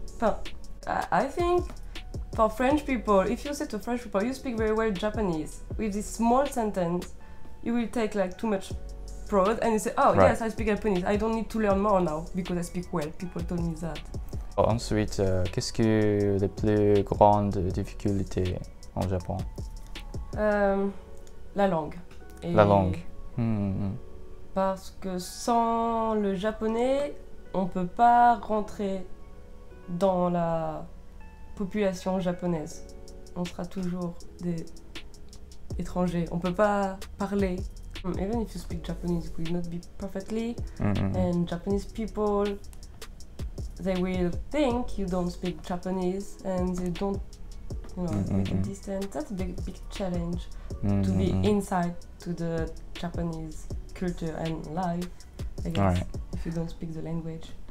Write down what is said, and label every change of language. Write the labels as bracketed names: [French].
[English] Enfin, I think for French people, if you say to French people, you speak very well Japanese, with this small sentence, you will take like too much pride and you say, oh yes, I speak Japanese. I don't need to learn more now because I speak well. People told me that. [French] Ensuite, qu'est-ce que les plus grandes difficultés en Japon? La langue. La langue. Parce que sans le japonais, on ne peut pas rentrer dans la population japonaise. On sera toujours des étrangers. On ne peut pas parler. [English] Even if you speak Japanese, it will not be perfectly. And Japanese people, they will think you don't speak Japanese and they don't, you know, make it distant. That's a big challenge to be inside to the Japanese culture and life, I guess, if you don't speak the language.